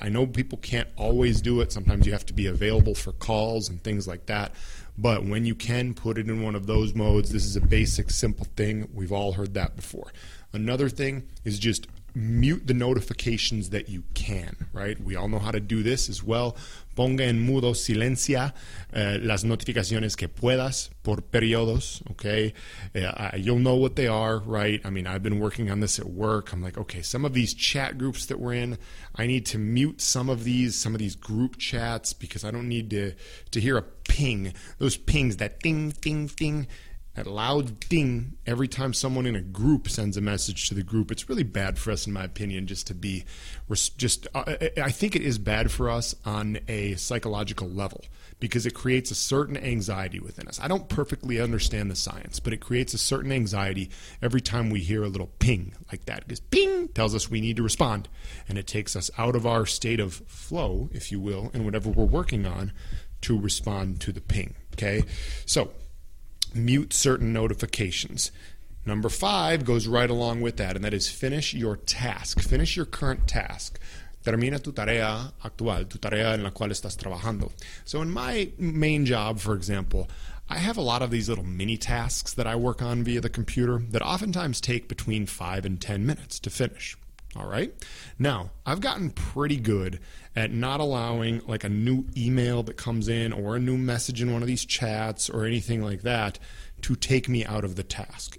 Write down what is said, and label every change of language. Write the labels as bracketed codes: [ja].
[en] I know people can't always do it. Sometimes you have to be available for calls and things like that. But when you can put it in one of those modes, this is a basic, simple thing. We've all heard that before. Another thing is just mute the notifications that you can, right? We all know how to do this as well. [es] Ponga en mudo, silencia, las notificaciones que puedas por periodos, okay? [en] You'll know what they are, right? I mean, I've been working on this at work. I'm like, okay, some of these chat groups that we're in, I need to mute some of these group chats because I don't need to hear a ping. Those pings, that ding, ding, ding. That loud ding every time someone in a group sends a message to the group. It's really bad for us, in my opinion, just to be just I think it is bad for us on a psychological level because it creates a certain anxiety within us. I don't perfectly understand the science, but it creates a certain anxiety every time we hear a little ping like that. Because ping tells us we need to respond, and it takes us out of our state of flow, if you will, and whatever we're working on to respond to the ping, okay? So mute certain notifications. Number five goes right along with that, and that is finish your task. Finish your current task. [es] Termina tu tarea actual, tu tarea en la cual estás trabajando. [en] So in my main job, for example, I have a lot of these little mini tasks that I work on via the computer that oftentimes take between 5 and 10 minutes to finish. All right. Now, I've gotten pretty good at not allowing like a new email that comes in or a new message in one of these chats or anything like that to take me out of the task.